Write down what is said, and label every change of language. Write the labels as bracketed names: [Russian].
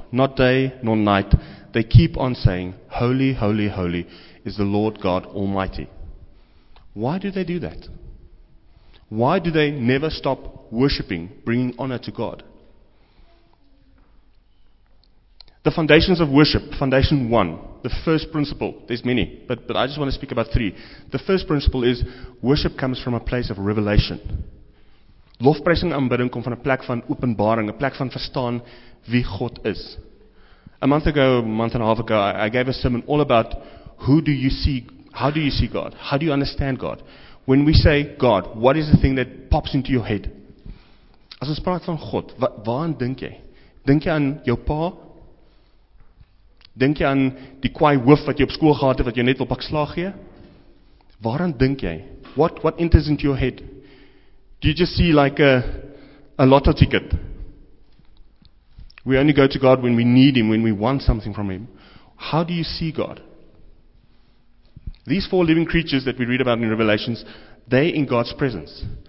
[English] Not day, nor night. They keep on saying, Holy, holy, holy is the Lord God Almighty. Why do they do that? Why do they never stop worshiping, bringing honor to God? The foundations of worship, foundation one, the first principle, there's many, but I just want to speak about three. The first principle is worship comes from a place of revelation. [Afrikaans] Lofprysing en aanbidding kom van 'n plek van openbaring, 'n plek van verstaan wie God is. [English] A month and a half ago, I gave a sermon all about how do you see God? How do you understand God? When we say God, what is the thing that pops into your head? [Afrikaans] As ons praat van God, waaraan dink jy? Dink jy aan jou pa? Dink jy aan die kwaai hoof wat jy op skool gehad het wat jou net wil pak slaag gee? Waaraan dink jy? [English] What enters into your head? Do you just see like a lotto ticket? We only go to God when we need him, when we want something from him. How do you see God? These four living creatures that we read about in Revelations, they in God's presence.